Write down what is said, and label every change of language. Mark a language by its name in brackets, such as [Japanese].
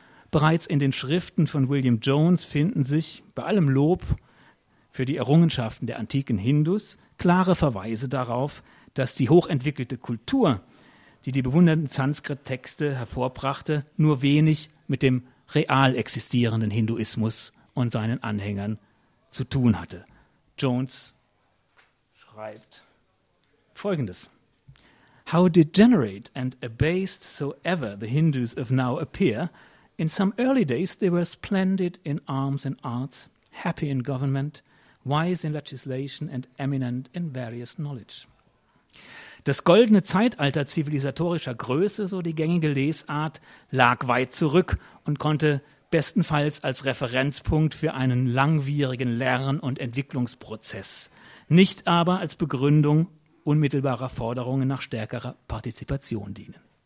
[German] Bereits in den Schriften von William Jones finden sich, bei allem Lob für die Errungenschaften der antiken Hindus, klare Verweise darauf, dass die hochentwickelte Kultur, die die bewunderten Sanskrit-Texte hervorbrachte, nur wenig mit dem real existierenden Hinduismus und seinen Anhängern zu tun hatte. Jones schreibt Folgendes. [English] How degenerate and abased soever the Hindus of now appear, in some early days they were splendid in arms and arts, happy in government, wise in legislation and eminent in various knowledge. [German] Das goldene Zeitalter zivilisatorischer Größe, so die gängige Lesart, lag weit zurück und konnte bestenfalls als Referenzpunkt für einen langwierigen Lern- und Entwicklungsprozess, nicht aber als Begründung unmittelbarer Forderungen nach stärkerer Partizipation dienen.